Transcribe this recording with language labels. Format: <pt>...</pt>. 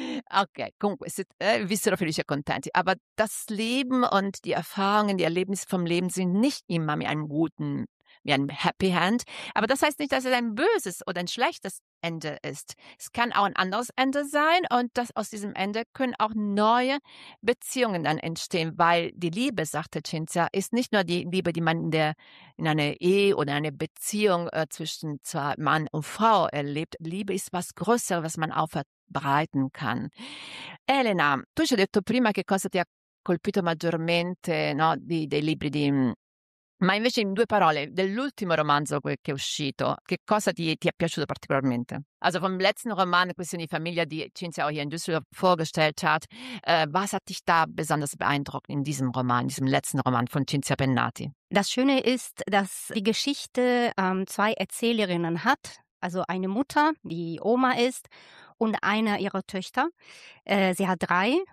<it>Okay, comunque, vissero felici e contenti.</it> <de>Aber das Leben und die Erfahrungen, die Erlebnisse vom Leben sind nicht immer mit einem guten, wie ein Happy End. Aber das heißt nicht, dass es ein böses oder ein schlechtes Ende ist. Es kann auch ein anderes Ende sein und das aus diesem Ende können auch neue Beziehungen dann entstehen, weil die Liebe, sagte Cinzia, ist nicht nur die Liebe, die man in einer Ehe oder einer Beziehung zwischen zwei Mann und Frau erlebt. Liebe ist was Größeres, was man auch verbreiten kann.</de> <it>Elena, tu ci hai detto prima che cosa ti ha colpito maggiormente, no, dei libri di... Ma invece in due parole dell'ultimo romanzo che è uscito, che cosa ti è piaciuto particolarmente?</it> <de>Also vom letzten Roman Questioni di famiglia, die Cinzia auch hier in Düsseldorf vorgestellt hat, was hat dich da besonders beeindruckt in diesem Roman, diesem letzten Roman von Cinzia Bennati? Das Schöne ist, dass die Geschichte zwei Erzählerinnen hat, also eine Mutter, die Oma ist, und eine ihrer Töchter. Sie hat drei.</de>